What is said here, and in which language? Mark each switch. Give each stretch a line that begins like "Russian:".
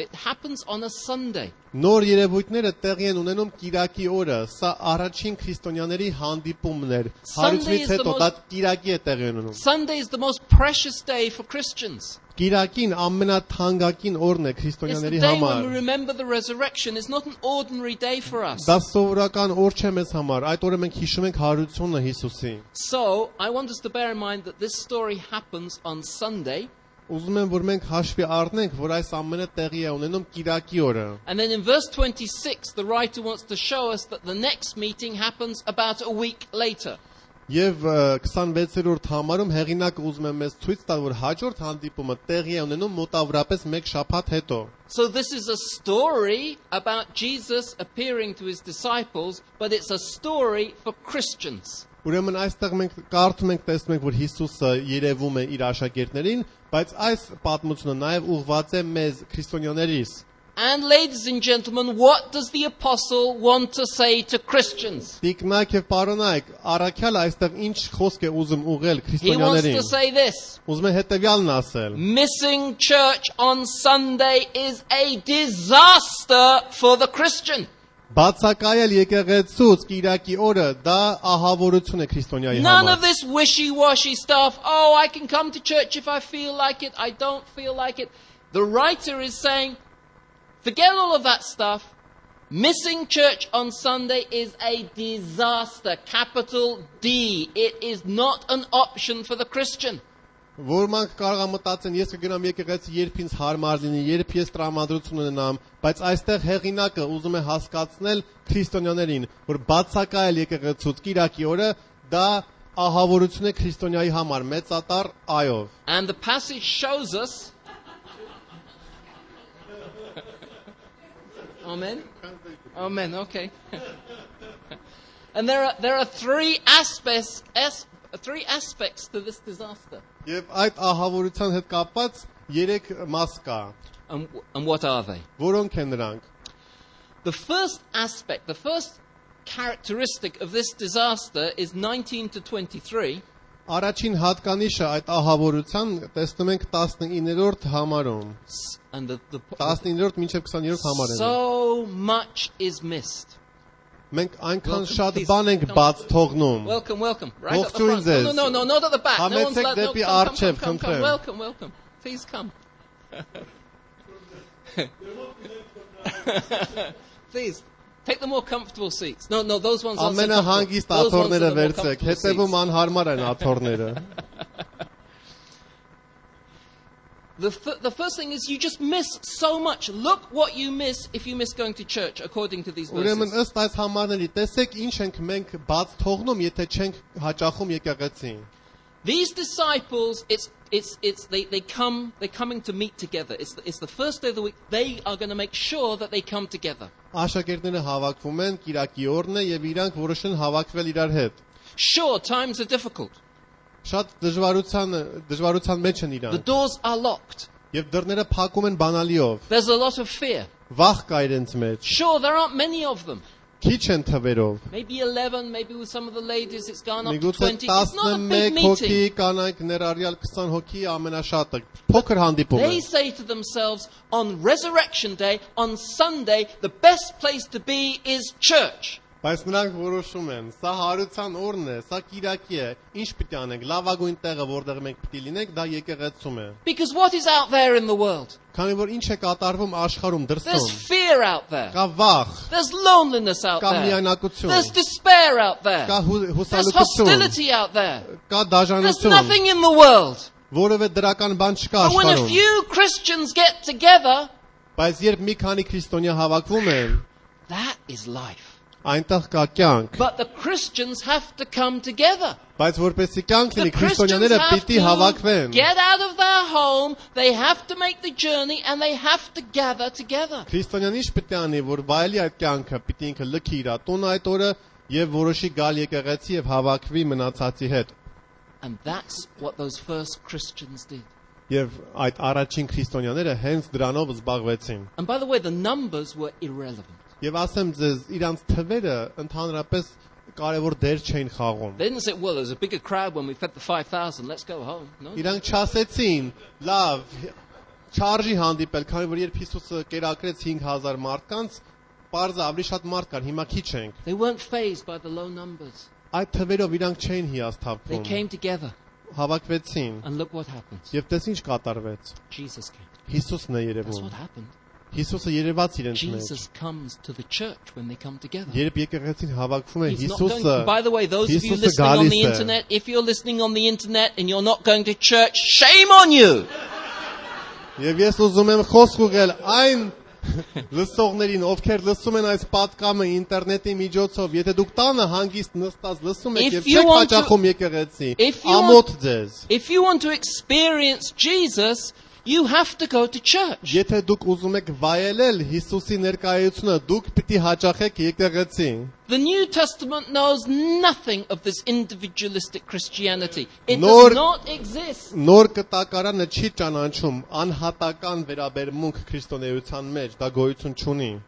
English: It happens on a Sunday.
Armenian: Նոր երևույթները տեղի են ունենում կիրակի օրը։ Սա առաջին քրիստոնյաների հանդիպումն էր։ Հարուստից հետո դա կիրակի է տեղի ունենում։
English: Sunday is the most precious day for Christians.
Armenian: Կիրակին ամենաթանկագին օրն է քրիստոնյաների համար։
English: It's the day when we remember the resurrection. It's not an ordinary day for us.
Armenian: Դա սովորական օր չէ մեզ համար։ Այդ օրը մենք հիշում ենք հարությունը Հիսուսի։
English: So, I want us to bear in mind that this story happens on Sunday.
Armenian: ուզում եմ որ մենք հաշվի առնենք որ այս ամենը տեղի է ունենում Կիրակի օրը.
English: And then in verse 26 the writer wants to show us that the next meeting happens about a week later.
Armenian: Եվ 26-րդ համարում հեղինակը ուզում է մեզ ցույց տալ որ հաջորդ հանդիպումը տեղի է ունենում մոտավորապես 1 շաբաթ հետո.
English: So this is a story about Jesus appearing to his disciples, but it's a story for Christians.
Armenian: Ուրեմն այստեղ մենք կարդում ենք տեսնում ենք որ Հիսուսը երևում է իր աշակերտներին, բայց այս պատմությունը նաև ուղղված է մեզ քրիստոնյաներիս.
English: And ladies and gentlemen, what does the apostle want to say to Christians?
Armenian: Տիկնակ եւ պարոնայք, առաքյալ այստեղ ինչ խոսք է ուզում ուղղել քրիստոնյաներին?
English: He wants to say this.
Armenian: Ուզում է հետեւյալն ասել.
English: Missing church on Sunday is a disaster for the Christian.
Armenian: Բացակայել եկեղեցուց Կիրակի օրը դա ահավորություն է քրիստոնյայի համար.
English: None of this wishy-washy stuff. Oh, I can come to church if I feel like it. I don't feel like it. The writer is saying, forget all of that stuff. Missing church on Sunday is a disaster. Capital D. It is not an option for the Christian.
Armenian: Որ մենք կարող ենք մտածեն, ես կգնամ եկեղեցի, երբ ինձ հարմար լինի, երբ ես տրամադրություն ունենամ, բայց այստեղ հեղինակը ուզում է հասկացնել քրիստոնյաներին, որ բացակայել եկեղեցուց Կիրակի օրը դա ահավորություն է քրիստոնյայի համար, մեծատար այով։
English: And the passage shows us Amen. Amen. Okay. And there are three aspects to this disaster.
Armenian: Եվ այդ ահավորության հետ կապված 3 մաս կա.
English: And what are they?
Armenian: Որոնք են նրանք?
English: The first aspect, the first characteristic of this disaster is 19 to 23.
Armenian: Առաջին հատկանիշը այդ ահավորության տեսնում ենք 19-րդ համարում.
English: And the so much is missed.
Armenian: Մենք այնքան շատ բան ենք բաց թողնում.
English: Welcome. Right at the front. No, not at the back.
Armenian: Համեցեք դեպի առջև, խնդրեմ.
English: Welcome. Please come. Please take the more comfortable seats. No, those ones are
Armenian: Ամենը հանգիստ աթոռները վերցրեք, հետևում անհարմար են աթոռները.
English: The first thing is you just miss so much. Look what you miss if you miss going to church according to these verses.
Armenian: Ուրեմն ըստ այս համարների, տեսեք ինչ ենք մենք բաց թողնում, եթե չենք հաճախում եկեղեցին.
English: These disciples they're coming to meet together. It's the first day of the week. They are going to make sure that they come together.
Armenian: Աշակերտները հավաքվում են Կիրակի օրն է եւ իրանք որոշեն հավաքվել իրար հետ.
English: Sure, times are difficult.
Armenian: Շատ դժվարության մեջ են իրանք։
English: The doors are locked.
Armenian: Եվ դռները փակում են բանալիով։
English: There's a lot of fear.
Armenian: Վախ կա իրենց մեջ։
English: Sure, there aren't many of them.
Armenian: Քիչ են թվերով։
English: Maybe 11, maybe with some of the ladies it's gone up to 20.
Armenian: Միգուցե 11 հոգի կանայք ներառյալ 20 հոգի ամենաշատը։ Փոքր հանդիպում։
English: They say to themselves on resurrection day, on Sunday, the best place to be is church.
Armenian: Բայց նրանք որոշում են, սա հարության օրն է, սա Կիրակի է, ինչ պիտի անենք, լավագույն տեղը, որտեղ մենք պիտի լինենք, դա եկեղեցում է։
English: Because what is out there in the world?
Armenian: Քանի որ ինչ է կատարվում աշխարհում, դրսում։
English: There's fear out there.
Armenian: Կա վախ։
English: There's loneliness out there.
Armenian: Կա միայնակություն։
English: There's despair out there.
Armenian: Կա հուսալություն։
English: There's hostility out there.
Armenian: Կա դաժանություն։
English: There's nothing in the world.
Armenian: Որևէ դրական բան չկա աշխարհում։
English: But when a few Christians get together,
Armenian: բայց երբ մի քանի քրիստոնյա հավաքվում են,
English: that is life.
Armenian: Այնտեղ կա կյանք։
English: But the Christians have to come together.
Armenian: Բայց որպեսզի կյանք լինի, քրիստոնյաները պիտի հավաքվեն։
English: Get out of their home, they have to make the journey and they have to gather together.
Armenian: Քրիստոնյանի շփտանի, որ վայելի այդ կյանքը, պիտի ինքը լքի իր տունը այդ օրը եւ որոշի գալ եկեղեցի եւ հավաքվի մնացածի հետ։
English: And that's what those first Christians did.
Armenian: Եվ այդ առաջին քրիստոնյաները հենց դրանով զբաղվեցին։
English: And by the way, the numbers were irrelevant.
Armenian: Եվ ասեմ ձեզ, իրանց թվերը ընդհանրապես կարևոր դեր չեն խաղում։
English: Then said, well, there's a bigger crowd when we fed the 5000. Let's go home. No.
Armenian: Իրանք չասեցին, լավ, չարժի հանդիպել, քանի որ երբ Հիսուսը կերակրեց 5000 մարդկանց, պարզ ավելի շատ մարդ կար, հիմա քիչ ենք։
English: They weren't fazed by the low numbers.
Armenian: Այդ թվերով իրանք չեն հիասթափվում։
English: They came together.
Armenian: Հավաքվեցին։
English: And look what happened.
Armenian: Եվ տես ինչ կատարվեց։
English: Jesus came.
Armenian: Հիսուսն է երևում։
English: That's what happened.
Armenian: Հիսուսը երևաց իրենց
English: մեջ։ Jesus comes to the church when they come together.
Armenian: Երբ եկեղեցին հավաքվում է Հիսուսը։
English: By the way, those of you listening on the internet, if you're listening on the internet and you're not going to church, shame on you.
Armenian: Եվ ես ուզում եմ խոսք ուղղել այն լսողներին, ովքեր լսում են այս պատկամը ինտերնետի միջոցով, եթե դուք տանը հանգիստ նստած լսում եք եւ չեք հաճախում եկեղեցի, ամոթ ձեզ.
English: If you want to experience Jesus, you have to go to church.
Armenian: Եթե դուք ուզում եք վայելել Հիսուսի ներկայությունը, դուք պիտի հաճախեք եկեղեցի.
English: The New Testament knows nothing of this individualistic Christianity. It does not exist.
Armenian: Նոր կտակարանը չի ճանաչում անհատական վերաբերմունք քրիստոնեության մեջ, դա գոյություն չունի.